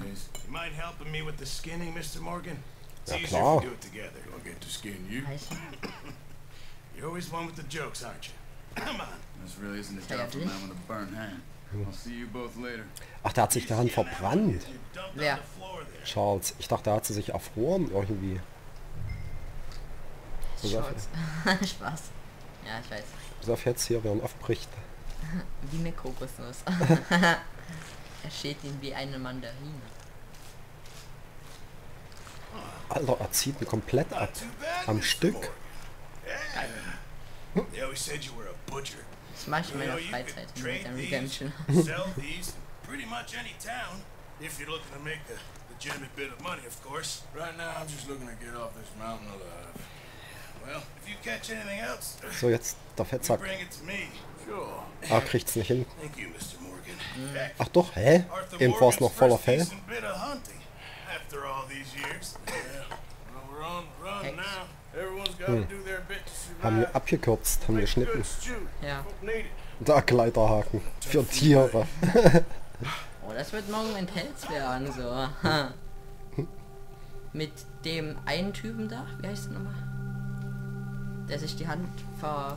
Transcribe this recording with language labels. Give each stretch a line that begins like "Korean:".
English: You mind helping me with the skinning, Mr. Morgan?
German: Ja, klar.
English: Do it together. I'll get to skin you. You're always one with the jokes, aren't you? Come on. This really isn't a job for a man with a burnt hand. I'll see you both later.
German: Ach, der hat sich daran verbrannt. Wer? Charles, ich dachte, er hat sich erfroren irgendwie. Charles. Spaß. Ja, ich weiß. Bis auf jetzt hier, während aufbricht. Wie eine Kokosnuss. Er schält ihn wie eine Mandarine. Alter, er zieht ihn komplett ab. Am Stück. Geil. Das mache ich in meiner Freizeit mit dem Redemption.
English: Pretty much any town, if you're looking to make a legitimate bit of money, of course. Right now, I'm just looking to get off this mountain alive. Well, if you catch anything else,
German: so jetzt der Fettsack.
English: Bring it to me. Sure.
German: Ah, kriegt's nicht hin.
English: Thank you, Mr. Morgan.
German: Ach doch, hä? Eben war's noch voller Fell.
English: After all these years. Well, we're on the run now. Everyone's got to do their bit to survive.
German: Haben wir abgekürzt, haben geschnitten. Ja. Der Gleiterhaken für Tiere. Oh, das wird morgen ein Pelz werden, so. Mit dem einen Typen da, wie heißt der nochmal? Der sich die Hand ver...